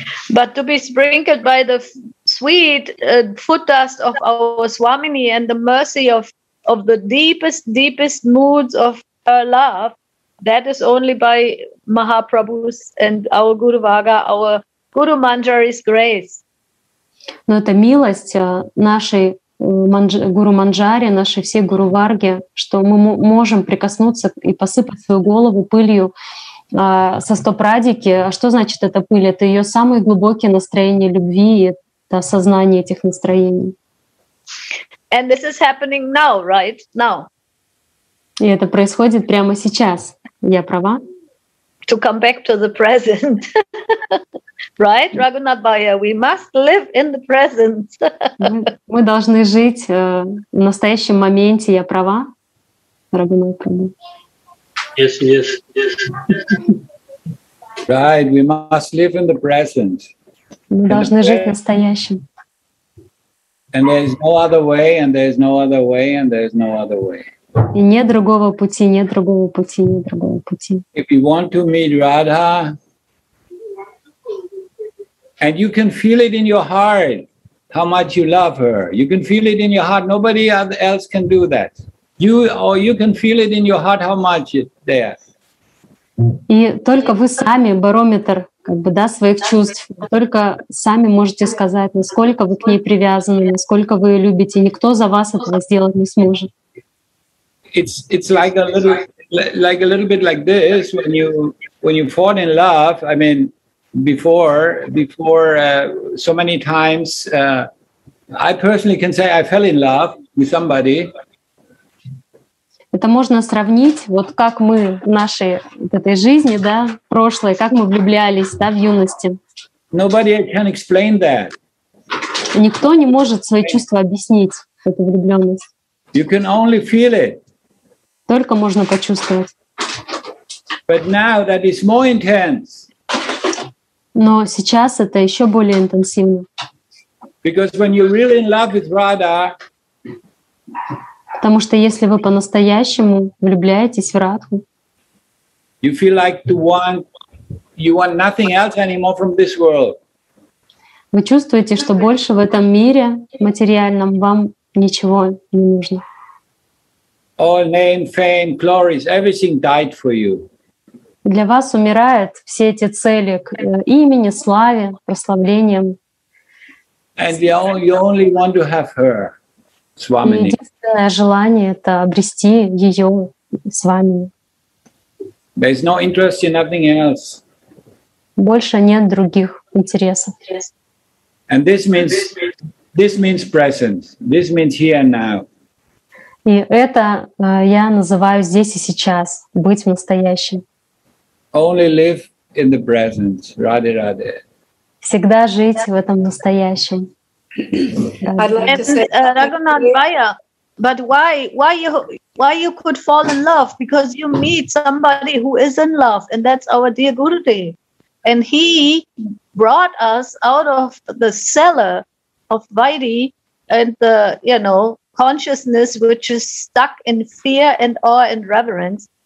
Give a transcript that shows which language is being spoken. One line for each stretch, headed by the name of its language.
English: But to be sprinkled by the sweet foot dust of our Swamini and the mercy of the deepest moods of her love, that is only by Mahaprabhu's and our Guru Vaga, our Guru Manjari's grace.
Russian: Но это милость нашей Гуру Манджари, нашей всей Гуру Варги, что мы можем прикоснуться и посыпать свою голову пылью со стоп радики. А что значит эта пыль? Это ее самые глубокие настроения любви и это осознание этих настроений.
English: And this is happening now, right? Now.
Russian: И это происходит прямо сейчас. Я права?
English: To come back to the present. Right, Raghunath Bhaiya, we must live in the present.
Russian: Мы должны жить в настоящем моменте, я права, Raghunath Prabhu?
English: Yes, yes, yes. Right, we must live in the present.
Russian: Мы должны жить в настоящем.
English: And there is no other way, and there is no other way, and there is no other way.
Russian: И нет другого пути, нет другого пути, нет другого пути.
English: If you want to meet Radha, and you can feel it in your heart how much you love her. You can feel it in your heart. Nobody else can do that. You can feel it in your heart how much it there.
Russian: И только вы сами барометр как бы да своих чувств. Только сами можете сказать, насколько вы к ней привязаны, насколько вы ее любите. Никто за вас этого сделать не сможет.
English: It's like a little bit like this when you fall in love. I mean. Before so many times, I personally can say I fell in love with somebody.
Russian: Это можно сравнить, вот как мы в нашей вот этой жизни, да, прошлой, как мы влюблялись, да, в юности.
English: Nobody can explain that.
Russian: Никто не может свои чувства объяснить, эту влюблённость.
English: You can only feel it.
Russian: Только можно почувствовать.
English: But now that is more intense.
Russian: Но сейчас это еще более интенсивно.
English: Because when you're really in love with Radha,
Russian: потому что если вы по-настоящему влюбляетесь в Радху,
English: you feel like you want nothing else anymore from this world.
Russian: Вы чувствуете, что больше в этом мире материальном вам ничего не нужно.
English: All name, fame, glories, everything died for you.
Russian: Для вас умирают все эти цели к имени, славе, прославлениям.
English: And you only want to have her, Swamini.
Russian: Единственное желание — это обрести ее с вами.
English: There is no interest in nothing else.
Russian: Больше нет других интересов.
English: And this means presence. This means here and now.
Russian: И это я называю здесь и сейчас, быть в настоящем.
English: Only live in the present, Radhe Radhe.
Russian: Всегда жить в этом настоящем.
English: Raghunath Bhaiya, but why you could fall in love? Because you meet somebody who is in love, and that's our dear Gurudev. And he brought us out of the cellar of Vaidhi and the, you know, consciousness which is stuck in fear and awe and reverence.